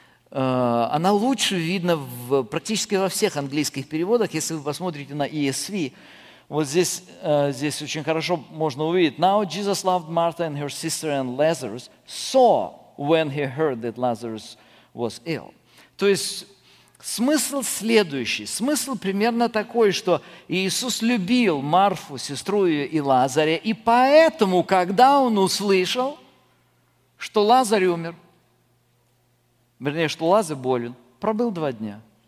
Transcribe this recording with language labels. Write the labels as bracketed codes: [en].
[ru] Она лучше видна практически во всех английских переводах. Если вы посмотрите на ESV, вот здесь очень хорошо можно увидеть. [en] Now Jesus loved Martha and her sister and Lazarus, saw when he heard that Lazarus was ill. [ru] То есть смысл следующий. Смысл примерно такой, что Иисус любил Марфу, сестру ее и Лазаря, и поэтому, когда он услышал, что Лазарь умер, вернее, что Лазарь болен, пробыл 2 дня.